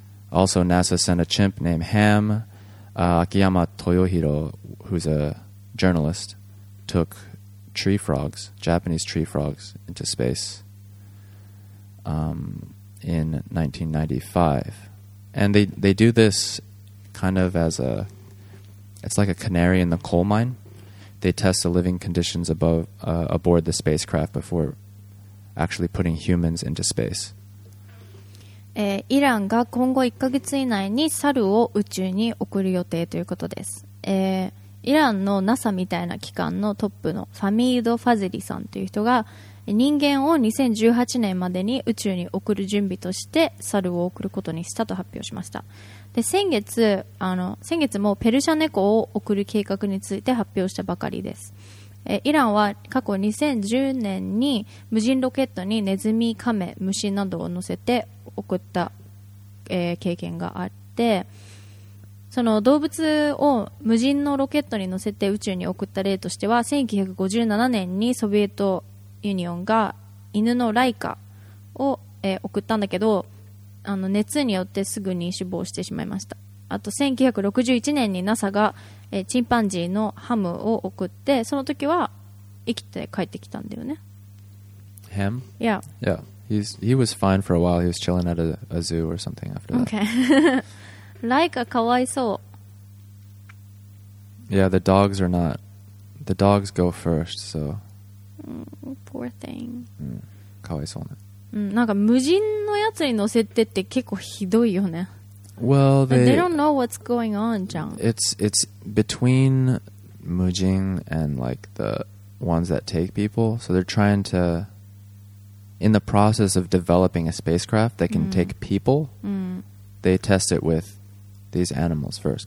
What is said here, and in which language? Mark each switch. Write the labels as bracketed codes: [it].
[en] Also, NASA sent a chimp named Ham... Akiyama Toyohiro, who's a journalist, took tree frogs, Japanese tree frogs, into space in 1995. And they do this kind of as a... It's like a canary in the coal mine. They test the living conditions aboard the spacecraft before actually putting humans into space. [ja] イランが今後1ヶ月以内に猿を宇宙に送る予定ということです、イランの NASA みたいな機関のトップのファミード・ファゼリさんという人が人間を2018年までに宇宙に送る準備として猿を送ることにしたと発表しました。で先月もペルシャ猫を送る計画について発表したばかりです。イランは過去2010年に無人ロケットにネズミ、カメ、虫などを乗せて送った、経験があって、その動物を無人のロケットに乗せて宇宙に送った例としては1957年にソビエトユニオンが犬のライカを、送ったんだけど、あの熱によってすぐに死亡してしまいました。あと1961年に NASA がチンパンジーのハムを送って、その時は生きて帰ってきたんだよね。ハム？ Yeah. [en] Yeah. He was fine for a while. He was chilling at a zoo or something after that. Okay. Laika, [ja] かわいそう。 [en] Yeah, the dogs are not... The dogs go first, so... Poor thing. [ja] かわいそうね。なんか無人のやつに乗せてって結構ひどいよね。 [en] Well, they don't know what's going on, Jang. It's between Mujin and like the ones that take people. So they're trying to, in the process of developing a spacecraft that can take people, they test it with these animals first.